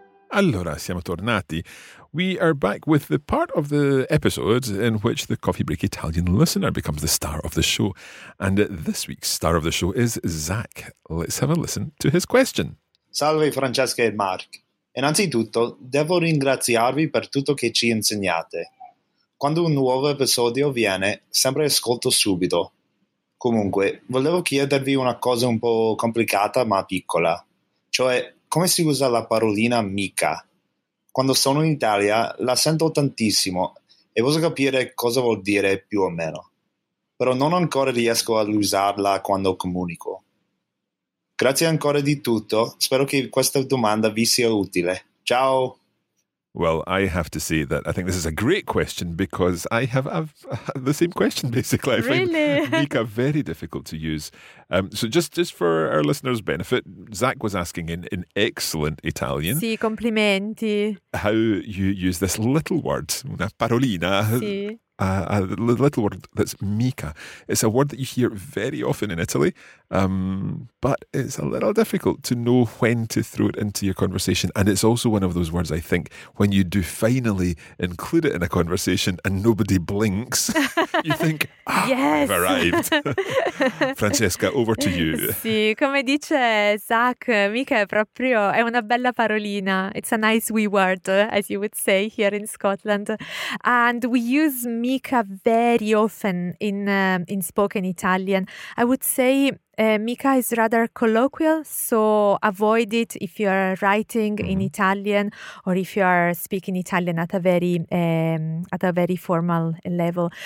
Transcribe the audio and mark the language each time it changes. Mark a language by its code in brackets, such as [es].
[it] Allora, siamo tornati. [en] We are back with the part of the episode in which the Coffee Break Italian listener becomes the star of the show. And this week's star of the show is Zach. Let's have a listen to his question. [it] Salve Francesca e Mark. Innanzitutto, devo ringraziarvi per tutto che ci insegnate. Quando un nuovo episodio viene, sempre ascolto subito. Comunque, volevo chiedervi una cosa un po' complicata ma piccola. Cioè, come si usa la parolina mica? Quando sono in Italia la sento tantissimo e posso capire cosa vuol dire più o meno. Però non ancora riesco ad usarla quando comunico. Grazie ancora di tutto. Spero che questa domanda vi sia utile. Ciao! [en] Well, I have to say that I think this is a great question because I have the same question, basically. Really? I find mica very difficult to use. So just for our listeners' benefit, Zach was asking in excellent Italian. [it] Sì, complimenti. [en] How you use this little word, [it] una parolina. Sì. [en] A little word that's mica. It's a word that you hear very often in Italy, but it's a little difficult to know when to throw it into your conversation. And it's also one of those words, I think, when you do finally include it in a conversation and nobody blinks, you think, I've arrived. Francesca, over to you. [it] Sì, come dice Zach, mica è proprio, è una bella parolina. [en] It's a nice wee word, as you would say here in Scotland. And we use mica very often in spoken Italian. I would say mica is rather colloquial, so avoid it if you are writing in Italian or if you are speaking Italian at a very formal level.